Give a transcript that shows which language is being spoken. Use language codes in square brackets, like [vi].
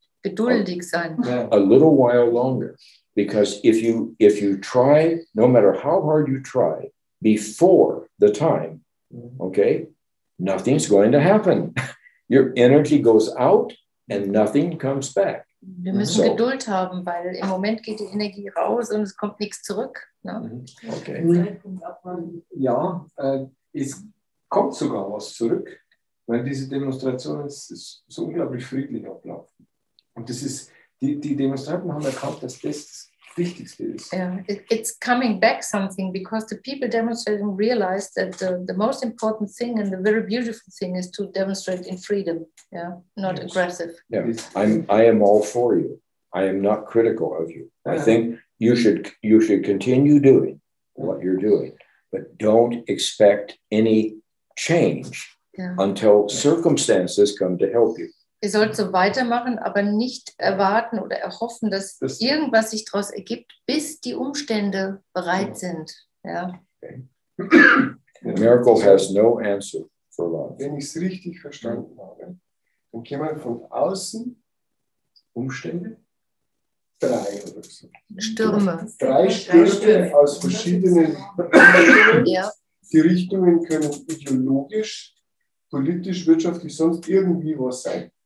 [de] Geduldig sein. [en] A little while longer. Because if you try, no matter how hard you try, before the time, okay, nothing's going to happen. Your energy goes out and nothing comes back. [de] Wir müssen Geduld haben, weil im Moment geht die Energie raus und es kommt nichts zurück. [en] No? Okay. [de] Ja, ist. Kommt sogar was zurück, weil diese Demonstrationen so unglaublich friedlich ablaufen. Und das ist, die Demonstranten haben erkannt, dass das Wichtigste ist. [en] Yeah. It's coming back something, because the people demonstrating realize that the most important thing and the very beautiful thing is to demonstrate in freedom, yeah, not aggressive. Yeah. I am all for you. I am not critical of you. Yeah. I think you should continue doing what you're doing, but don't expect any change until circumstances come to help you. [de] Ihr sollt so weitermachen, aber nicht erwarten oder erhoffen, dass das irgendwas sich daraus ergibt, bis die Umstände bereit sind. Ja. [en] Okay. Miracle has no answer for love. [de] Wenn ich es richtig verstanden habe, dann kommen von außen Umstände, drei Stürme aus verschiedenen Die Richtungen können ideologisch, politisch, wirtschaftlich, sonst irgendwie was sein.